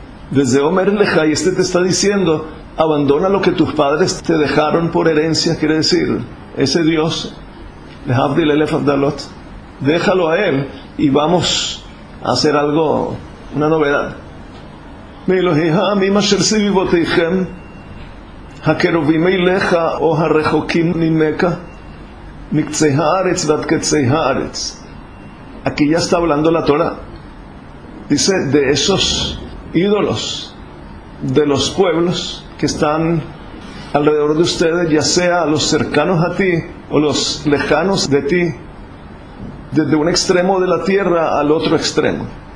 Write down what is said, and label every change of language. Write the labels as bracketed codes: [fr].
[es] Desde Omer Leja, y este te está diciendo, abandona lo que tus padres te dejaron por herencia. Quiere decir, ese Dios, [he] Lehavdil Elef Avdalot, [es] déjalo a él y vamos a hacer algo, una novedad. Me lo dije a mí, [he] Masher Sivivoteichem, הקרובים אליך או הרחוקים ממך, מקצה הארץ ועד קצה הארץ. [es] Aquí ya está hablando la Torah. Dice de esos ídolos, de los pueblos que están alrededor de ustedes, ya sea los cercanos a ti o los lejanos de ti, desde un extremo de la tierra al otro extremo.